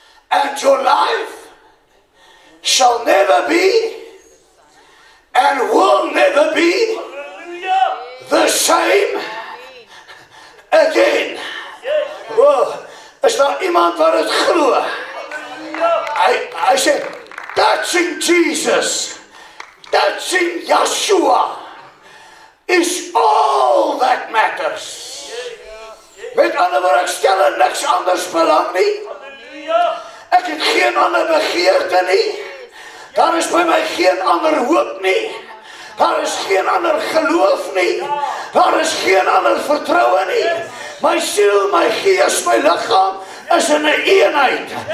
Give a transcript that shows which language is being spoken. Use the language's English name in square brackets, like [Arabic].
[English] And your life shall never be and will never be the same again. Wow. [Afrikaans] Is daar iemand wat het glo? Hy sê, [English] touching Jesus, touching Yeshua, is all that matters. [Afrikaans] Met ander woord, ek stel in niks anders belang nie. Ek het geen ander begeerte nie. Daar is by my geen ander hoop nie. Daar is geen ander geloof nie. Daar is geen ander vertroue nie. My siel, my gees, my liggaam is in 'n eenheid.